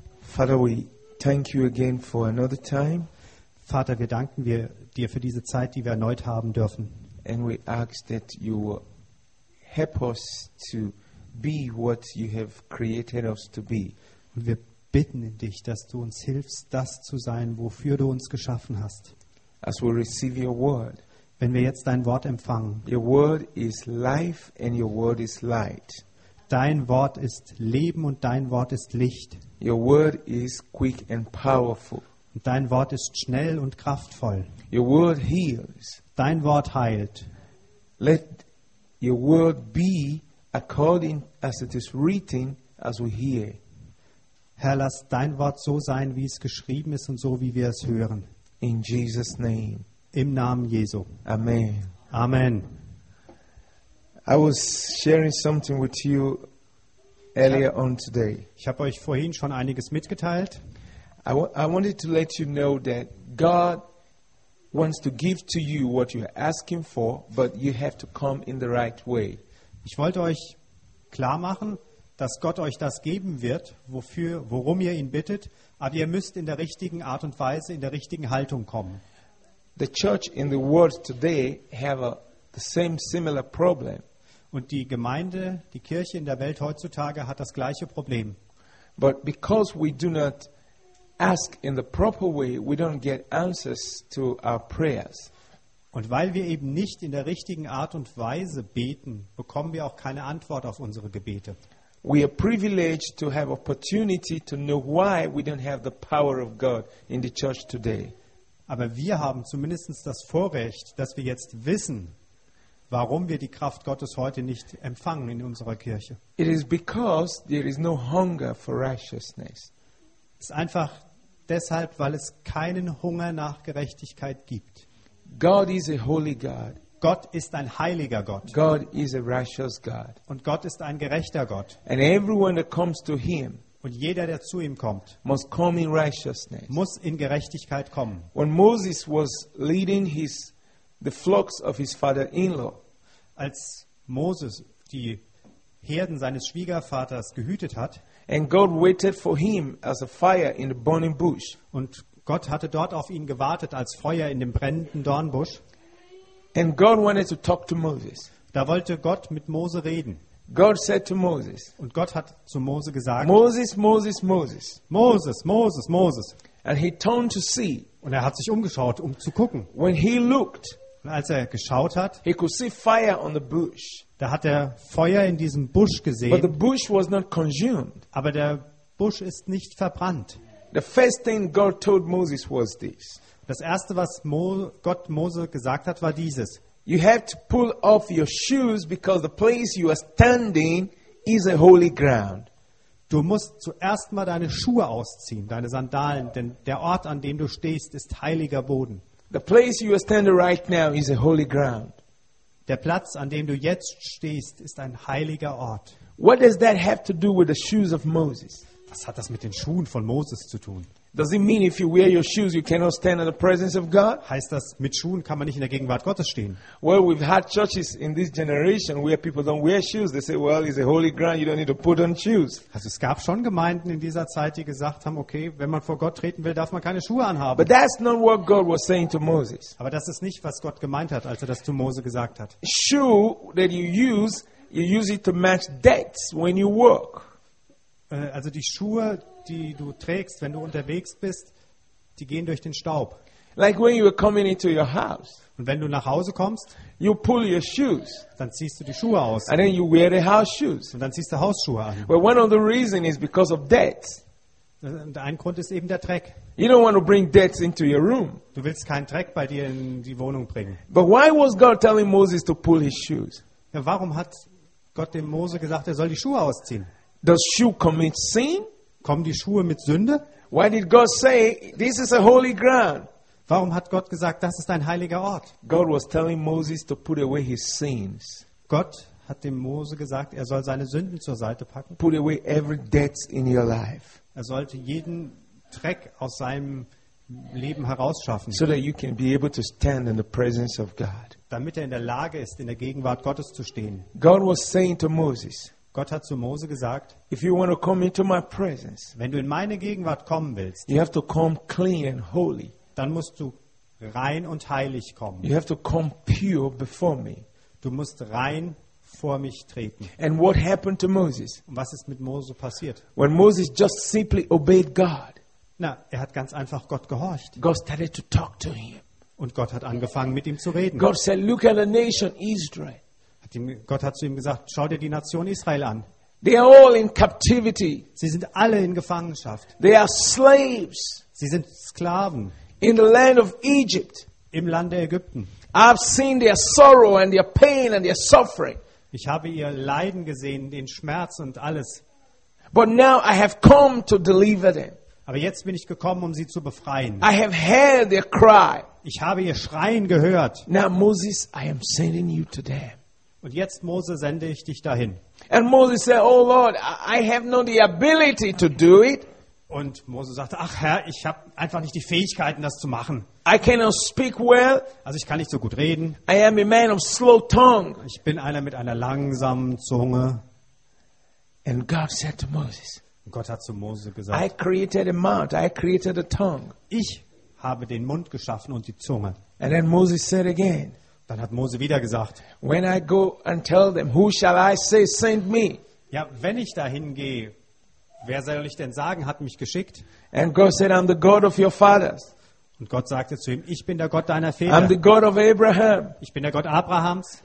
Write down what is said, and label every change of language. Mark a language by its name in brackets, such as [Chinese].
[English] Father, we thank you again for another time. [German] Vater, wir danken wir dir für diese Zeit, die wir erneut haben dürfen. [English] And we ask that you will help us to be what you have created us to be. [German] Und wir bitten dich, dass du uns hilfst, das zu sein, wofür du uns geschaffen hast. [English] As we receive your word. [German] Wenn wir jetzt dein Wort empfangen. [English] Your word is life and your word is light. [German] Dein Wort ist Leben und dein Wort ist Licht. [English] Your word is quick and powerful. [German] Und dein Wort ist schnell und kraftvoll. [English] Your word heals. [German] Dein Wort heilt. [English] Let your word be according as it is written as we hear. [German] Herr, lass dein Wort so sein, wie es geschrieben ist und so wie wir es hören. [English] In Jesus' name. [German] Im Namen Jesu. [English] Amen. [German] Amen. [English] I was sharing something with you earlier on today. [German] Ich habe euch vorhin schon einiges mitgeteilt. [English] I wanted to let you know that God wants to give to you what you're asking for, but you have to come in the right way. [German] Ich wollte euch klar machen, dass Gott euch das geben wird, wofür, worum ihr ihn bittet, aber ihr müsst in der richtigen Art und Weise, in der richtigen Haltung kommen. [English] The church in the world today have the same similar problem. [German] Und die Gemeinde, die Kirche in der Welt heutzutage hat das gleiche Problem. [English] But because we do not ask in the proper way, we don't get answers to our prayers. [German] Und weil wir eben nicht in der richtigen Art und Weise beten, bekommen wir auch keine Antwort auf unsere Gebete. [English] We are privileged to have opportunity to know why we don't have the power of God in the church today. [German] Aber wir haben zumindest das Vorrecht, dass wir jetzt wissen, warum wir die Kraft Gottes heute nicht empfangen in unserer Kirche. [English] It is because there is no hunger for righteousness. [German] Es ist einfach deshalb, weil es keinen Hunger nach Gerechtigkeit gibt. [English] God is a holy God. [German] Gott ist ein heiliger Gott. [English] God is a righteous God. [German] Und Gott ist ein gerechter Gott. [English] And everyone that comes to him, [German] und jeder, der zu ihm kommt, [English] must come in righteousness. [German] Muss in Gerechtigkeit kommen. [English] When Moses was leading the flocks of his father-in-law, [German] als Moses die Herden seines Schwiegervaters gehütet hat, [English] and God waited for him as a fire in the burning bush. [German] Und Gott hatte dort auf ihn gewartet als Feuer in dem brennenden Dornbusch. [English] And God wanted to talk to Moses. [German] Da wollte Gott mit Mose reden. [English] God said to Moses. [German] Und Gott hat zu Mose gesagt. [English] Moses, Moses, Moses. [German] Moses, Moses, Moses. [English] And he turned to see. [German] Und er hat sich umgeschaut, um zu gucken. [English] When he looked. [German] Und als er geschaut hat. [English] He could see fire on the bush. [German] Da hat er Feuer in diesem Busch gesehen. [English] But the bush was not consumed. [German] Aber der Busch ist nicht verbrannt. [English] The first thing God told Moses was this. [German] Das erste, was Gott Mose gesagt hat, war dieses. [English] You have to pull off your shoes because the place you are standing is a holy ground. [German] Du musst zuerst mal deine Schuhe ausziehen, deine Sandalen, denn der Ort, an dem du stehst, ist heiliger Boden. [English] The place you are standing right now is a holy ground. [German] Der Platz, an dem du jetzt stehst, ist ein heiliger Ort. [English] What does that have to do with the shoes of Moses? [German] Was hat das mit den Schuhen von Moses zu tun? [English] Does it mean if you wear your shoes you cannot stand in the presence of God? [German] Heißt das, mit Schuhen kann man nicht in der Gegenwart Gottes stehen? [English] Well, we've had churches in this generation where people don't wear shoes. They say, well, it's a holy ground, you don't need to put on shoes. [German] Also es gab schon Gemeinden in dieser Zeit, die gesagt haben, okay, wenn man vor Gott treten will, darf man keine Schuhe anhaben. [English] But that's not what God was saying to Moses. [German] Aber das ist nicht, was Gott gemeint hat, als er das zu Mose gesagt hat. [English] Shoe that you use it to match debts when you walk. [German] Also die Schuhe, die du trägst, wenn du unterwegs bist, die gehen durch den Staub. [English] Like when you are coming into your house. [German] Und wenn du nach Hause kommst, [English] you pull your shoes. [German] Dann ziehst du die Schuhe aus. [English] And then you wear the house shoes. [German] Und dann ziehst du Hausschuhe an. [English] Well, one of the reasons is because of debts. [German] Und ein Grund ist eben der Dreck. [English] You don't want to bring debts into your room. [German] Du willst keinen Dreck bei dir in die Wohnung bringen. [English] But why was God telling Moses to pull his shoes? [German] Ja, warum hat Gott dem Mose gesagt, er soll die Schuhe ausziehen? [English] Does shoe commit sin? [German] Kommen die Schuhe mit Sünde? [English] Why did God say this is a holy ground? [German] Warum hat Gott gesagt, das ist ein heiliger Ort? [English] God was telling Moses to put away his sins. [German] Gott hat dem Mose gesagt, er soll seine Sünden zur Seite packen. [English] Put away every debt in your life. [German] Er sollte jeden Dreck aus seinem Leben herausschaffen. [English] So that you can be able to stand in the presence of God. [German] Damit er in der Lage ist, in der Gegenwart Gottes zu stehen. [English] God was saying to Moses. [German] Gott hat zu Mose gesagt, [English] if you want to come into my presence, [German] wenn du in meine Gegenwart kommen willst, [English] you have to come clean and holy. [German] Dann musst du rein und heilig kommen. [English] You have to come pure before me. [German] Du musst rein vor mich treten. [English] And what happened to Moses? [German] Und was ist mit Mose passiert? [English] When Moses just simply obeyed God. [German] Na, er hat ganz einfach Gott gehorcht. [English] God started to talk to him. [German] Und Gott hat angefangen mit ihm zu reden. [English] God said, look at the nation Israel. [German] Gott hat zu ihm gesagt, schau dir die Nation Israel an. [English] They are all in captivity. [German] Sie sind alle in Gefangenschaft. [English] They are slaves. [German] Sie sind Sklaven. [English] In the land of Egypt. [German] Im Land der Ägypten. [English] I've seen their sorrow and their pain and their suffering. [German] Ich habe ihr Leiden gesehen, den Schmerz und alles. [English] But now I have come to deliver them. [German] Aber jetzt bin ich gekommen, um sie zu befreien. [English] I have heard their cry. [German] Ich habe ihr Schreien gehört. [English] Now Moses, I am sending you to them. [German] Und jetzt, Mose, sende ich dich dahin. [English] And Moses said, oh Lord, I have not the ability to do it. [German] Und Mose sagte, ach Herr, ich habe einfach nicht die Fähigkeiten, das zu machen. [English] I cannot speak well. [German] Also ich kann nicht so gut reden. [English] I am a man of slow tongue. [German] Ich bin einer mit einer langsamen Zunge. [English] And God said to Moses, [German] und Gott hat zu Mose gesagt, [English] I created a mouth, I created a tongue. [German] Ich habe den Mund geschaffen und die Zunge. [English] And then Moses said again, [German] dann hat Mose wieder gesagt, [English] when I go and tell them, who shall I say sent me? [German] Ja, wenn ich dahin gehe, wer soll ich denn sagen, hat mich geschickt? [English] And God said, I'm the God of your fathers. [German] Und Gott sagte zu ihm, ich bin der Gott deiner Väter. [English] I'm the God of Abraham. [German] Ich bin der Gott Abrahams.